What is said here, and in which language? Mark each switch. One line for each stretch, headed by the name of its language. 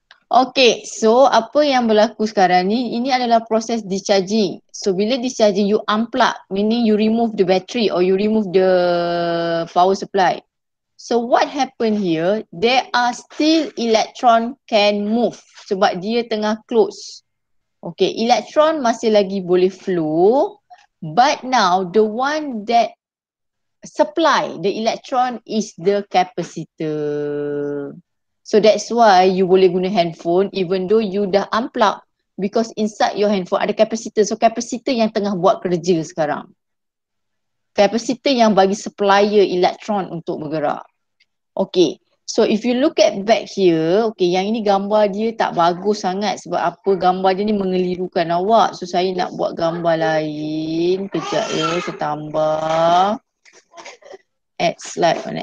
Malay: Okay, so apa yang berlaku sekarang ni, ini adalah proses discharging.
English: So bila discharging, you unplug, meaning you remove the battery or you remove the power supply. So what happen here, there are still electron can move
Malay: sebab dia tengah
English: close. Okay, electron
Malay: masih lagi boleh
English: flow, but now the one that supply the electron is the capacitor. So that's why you
Malay: boleh guna
English: handphone even though you
Malay: dah
English: unplug, because inside your handphone
Malay: ada kapasitor. So kapasitor yang tengah buat kerja sekarang. Kapasitor yang bagi supplier elektron untuk bergerak. Okay,
English: so if you look at back here,
Malay: okay, yang ini gambar dia tak bagus sangat sebab apa, gambar dia ni mengelirukan awak. So saya nak buat gambar lain. Kejap ya, saya tambah.
English: Add slide.